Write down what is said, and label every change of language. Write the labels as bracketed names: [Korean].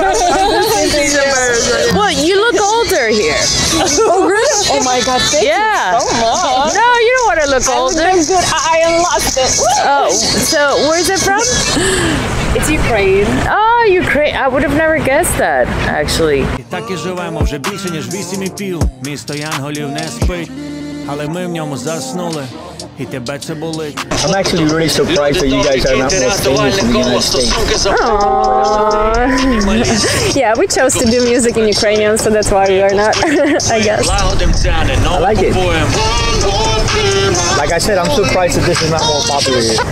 [English] world. Well, you look older here. Oh, really? Oh, my God. Thank yeah. you so much. No, you don't want to look older. I'm good. I lost it. Oh, so where's it from? It's Ukraine. Oh, Ukraine. I would have never guessed that, actually. [Ukrainian] Так і живемо вже більше ніж 8.5. Місто Янголів не спить. Але ми в ньому заснули, і тебе це болить. [English] I'm actually really surprised that you guys are not more famous in the United States. Yeah, we chose to do music in Ukrainian, so that's why we are not, I guess. I like it. Like I said, I'm surprised that this is not more popular here.